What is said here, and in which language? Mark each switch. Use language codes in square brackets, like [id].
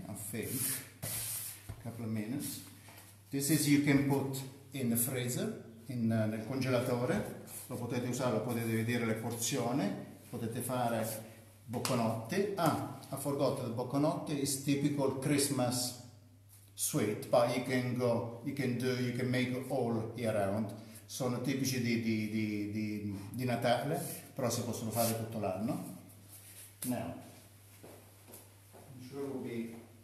[en] Think a couple of minutes. This is you can put in the freezer, [it] nel congelatore. Lo potete usare, lo potete vedere le porzioni. Potete fare Bocconotti. [en] Ah, I forgot, the Bocconotti is typical Christmas sweet, but you can go, you can do, you can make all year round. [it] Sono tipici di Natale, però si possono fare tutto l'anno. [en] Now, I'm sure we'll be